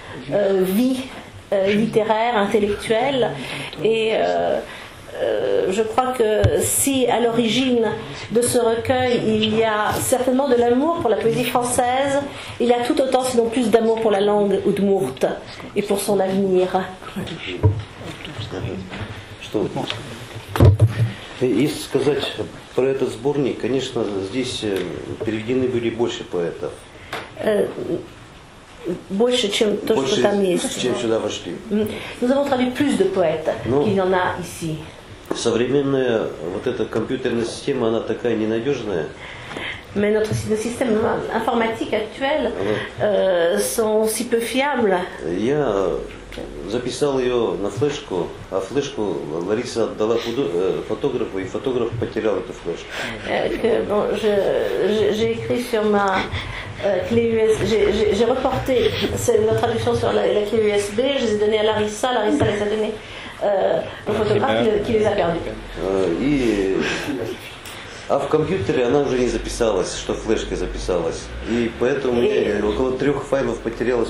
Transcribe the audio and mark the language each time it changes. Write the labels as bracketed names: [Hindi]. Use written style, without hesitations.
[French] vie littéraire, intellectuelle, et je crois que si à l'origine de ce recueil il y a certainement de l'amour pour la poésie française, il y a tout autant sinon plus d'amour pour la langue oudmourte et pour son avenir. [Russian] И сказать про этот сборник, конечно, здесь переведены были больше поэтов. Больше, чем то, больше, что там есть. Больше, чем сюда вошли. [French] Nous avons traduit plus de poètes qu'il y en a ici. [Russian] Современная вот эта компьютерная система, она такая ненадежная. [French] Mais notre système informatique actuel sont si peu fiables. [Russian] Я записал ее на флешку, а флешку Лариса отдала фотографу, и фотограф потерял эту флешку. [French] J'ai écrit sur ma... clé US... j'ai reporté la traduction sur la clé USB, je les ai données à Larissa, Larissa les a données au photographe qui les a perdues. [Russian] А в компьютере она уже не записалась, что флешкой записалась. И поэтому около трех файлов потерялось